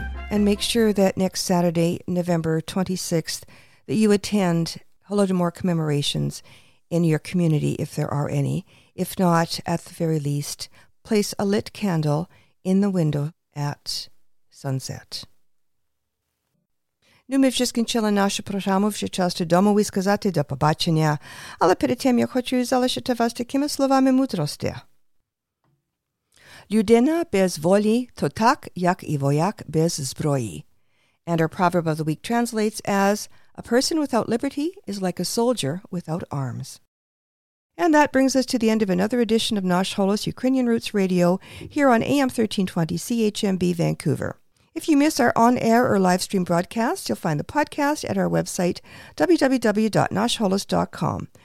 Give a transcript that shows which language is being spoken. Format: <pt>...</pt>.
<en>And make sure that next Saturday, November 26th, that you attend Holodomor commemorations in your community, if there are any. If not, at the very least, place a lit candle in the window at sunset.</en> <uk>Ну, ми вже скінчили нашу програму, вже час домові сказати до побачення. Але перед тим я хочу залишити вас такими словами мудрості. Людина без волі, то так, як і вояк без зброї.</uk> <en>And our proverb of the week translates as, a person without liberty is like a soldier without arms. And that brings us to the end of another edition of Nash Holos Ukrainian Roots Radio here on AM 1320 CHMB Vancouver. If you miss our on-air or live stream broadcast, you'll find the podcast at our website, www.nashholos.com.</en>